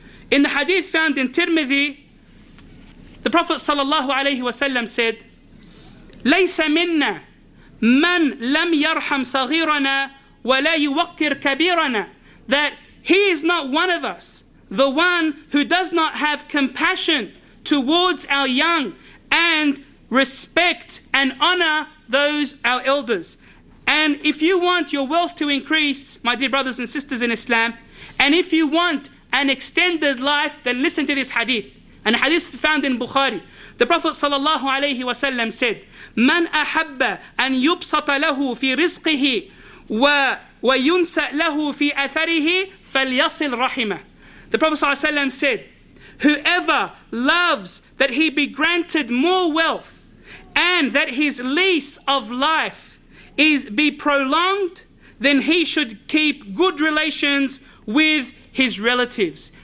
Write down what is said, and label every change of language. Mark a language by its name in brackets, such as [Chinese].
[English] In the hadith found in Tirmidhi, the Prophet sallallahu alayhi wa sallam said, [Arabic] لَيْسَ مِنَّا مَنْ لَمْ يَرْحَمْ صَغِيرَنَا وَلَا يُوَقِّرْ كَبِيرَنَا, [English] that he is not one of us, the one who does not have compassion towards our young and respect and honor those, our elders. And if you want your wealth to increase, my dear brothers and sisters in Islam, and if you want an extended life, then listen to this hadith. And the hadith found in Bukhari. The Prophet sallallahu alayhi wa sallam said, [Arabic] مَنْ أَحَبَّ أَنْ يُبْسَطَ لَهُ فِي رِزْقِهِ وَيُنْسَأْ لَهُ فِي أَثَرِهِ فَلْيَصِلْ رَحِمَهُ. [English] The Prophet sallallahu alayhi wa sallam said, whoever loves that he be granted more wealth and that his lease of life is be prolonged, then he should keep good relations with his relatives.